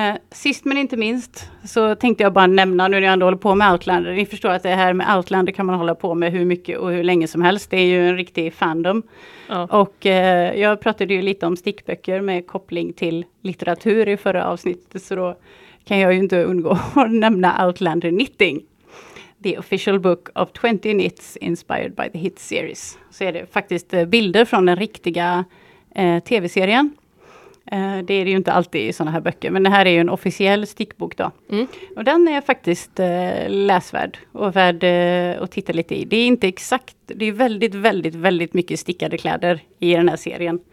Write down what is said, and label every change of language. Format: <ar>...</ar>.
<sv>Sist men inte minst så tänkte jag bara nämna, nu när jag ändå håller på med Outlander. Ni förstår att det här med Outlander kan man hålla på med hur mycket och hur länge som helst. Det är ju en riktig fandom. Ja. Och jag pratade ju lite om stickböcker med koppling till litteratur i förra avsnittet. Så då kan jag ju inte undgå att nämna Outlander Knitting.</sv> <en>The official book of 20 knits inspired by the hit series.</en> <sv>Så är det faktiskt bilder från den riktiga tv-serien. Det är det ju inte alltid i sådana här böcker. Men det här är ju en officiell stickbok då. Mm. Och den är faktiskt läsvärd. Och värd att titta lite i. Det är inte exakt. Det är väldigt, väldigt, väldigt mycket stickade kläder i den här serien.</sv>